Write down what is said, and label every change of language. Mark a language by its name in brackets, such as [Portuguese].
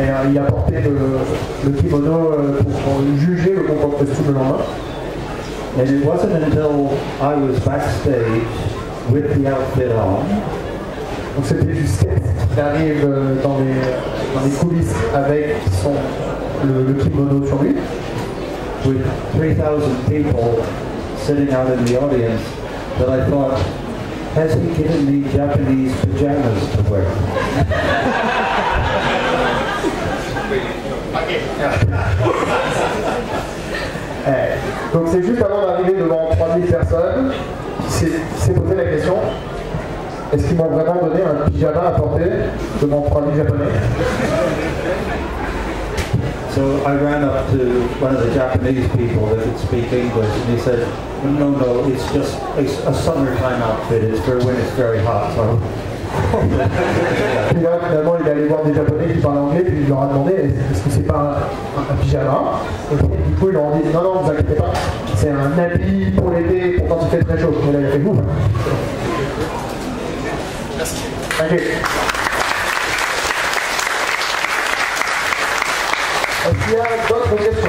[French] Il a porté le kimono pour juger le concours de costume le lendemain. [English] And it wasn't until I was backstage with the outfit on. [French] Donc c'était jusqu'à ce qu'il arrive dans les coulisses avec le kimono sur lui. [English] With 3,000 people sitting out in the audience, that I thought, has he given me Japanese pajamas to wear? [French] Donc c'est juste avant d'arriver devant 3000 personnes qui s'est posé la question, est-ce qu'ils m'ont vraiment donné un pyjama à porter devant 3000 japonais? [English] So I ran up to one of the Japanese people that could speak English and he said, no, it's just a summertime outfit, it's for when it's very hot. So. [French] Puis là, finalement, il est allé voir des Japonais qui parlent anglais, puis il leur a demandé est-ce que c'est pas un pyjama. Et puis, du coup, ils leur ont dit non, ne vous inquiétez pas, c'est un habit pour l'été, pourtant il fait très chaud. Mais là, il fait ouf. Merci. Est-ce qu'il y a d'autres questions?